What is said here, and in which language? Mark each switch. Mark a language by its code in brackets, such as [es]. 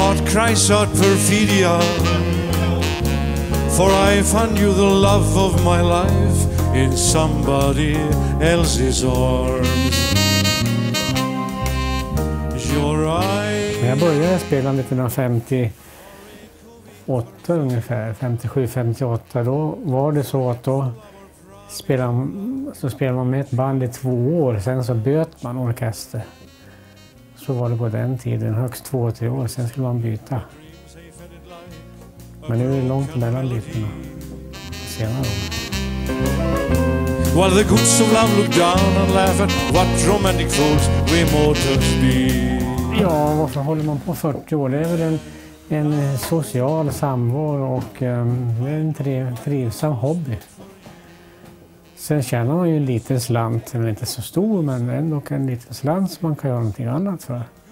[en] Cries out perfidia, for I find you the love of my life in somebody else's arms. Your eyes. [sv] Jag började spela 1958 ungefär, 57-58. Då var det så att då spelade man med ett band i 2 år, sen så böt man orkester. Så var det på den tiden, högst 2-3 år, sen skulle man byta. Men nu är det långt mellan bytena. Senare. [en] While the goods of love look down and laugh at what romantic fools we mortals be. [sv] Ja, varför håller man på 40 år? Det är väl en social samvaro och en trivsam hobby. Sen tjänar man ju en liten slant, den är inte så stor, men ändå en liten slant som man kan göra någonting annat för.